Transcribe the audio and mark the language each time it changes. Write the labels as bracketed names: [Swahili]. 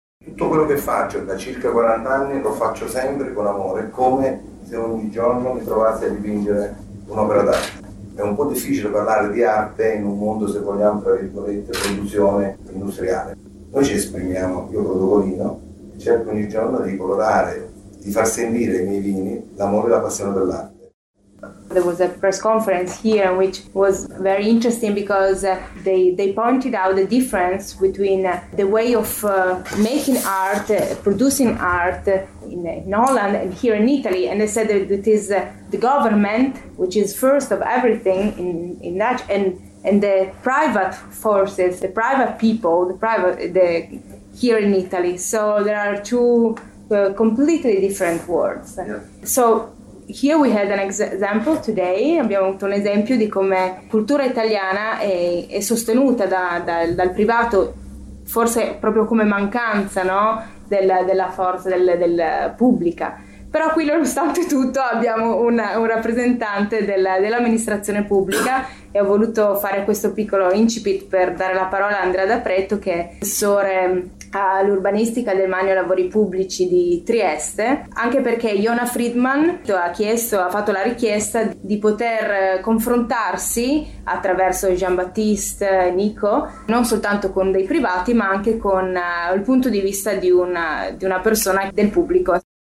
[Italian] Tutto quello che faccio da circa 40 anni lo faccio sempre con amore, come se ogni giorno mi trovassi a dipingere un'opera d'arte. È un po' difficile parlare di arte in un mondo, se vogliamo, tra virgolette, produzione industriale. Noi ci esprimiamo, io produco vino, cerco ogni giorno di colorare, di far sentire i miei vini l'amore e la passione dell'arte. [English] There was a press conference here which was very interesting because they pointed out the difference between the way of making art, producing art in Holland and here in Italy. And they said that it is the government which is first of everything in that, and the private forces, the private people, the here in Italy. So there are two completely different worlds. Yeah. So here we had an example today, [Italian] abbiamo avuto un esempio di come cultura italiana è sostenuta dal privato, forse proprio come mancanza, no? della forza del pubblica. Però qui, nonostante tutto, abbiamo un rappresentante dell'amministrazione pubblica e ho voluto fare questo piccolo incipit per dare la parola a Andrea D'Apretto, che è assessore all'urbanistica del Demanio Lavori Pubblici di Trieste, anche perché Jona Friedman ha fatto la richiesta di poter confrontarsi attraverso Jean-Baptiste Nico, non soltanto con dei privati, ma anche con il punto di vista di una persona del pubblico.